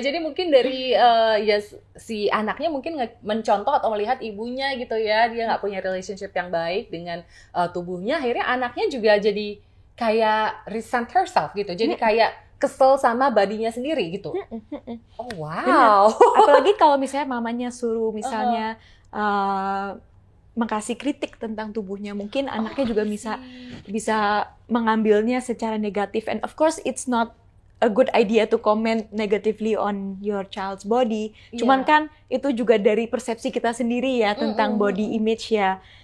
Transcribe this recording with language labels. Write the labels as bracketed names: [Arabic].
[Indonesian] Jadi mungkin dari si anaknya mungkin mencontoh atau melihat ibunya gitu ya, dia nggak punya relationship yang baik dengan tubuhnya, akhirnya anaknya juga jadi kayak [English] resent herself [Indonesian] gitu. Jadi kayak kesel sama badinya sendiri gitu. Oh wow. Benar. Apalagi kalau misalnya mamanya suruh misalnya mengasih kritik tentang tubuhnya, mungkin anaknya juga bisa bisa mengambilnya secara negatif. [English] And of course it's not a good idea to comment negatively on your child's body. [Indonesian] Cuman kan itu juga dari persepsi kita sendiri ya tentang body image ya.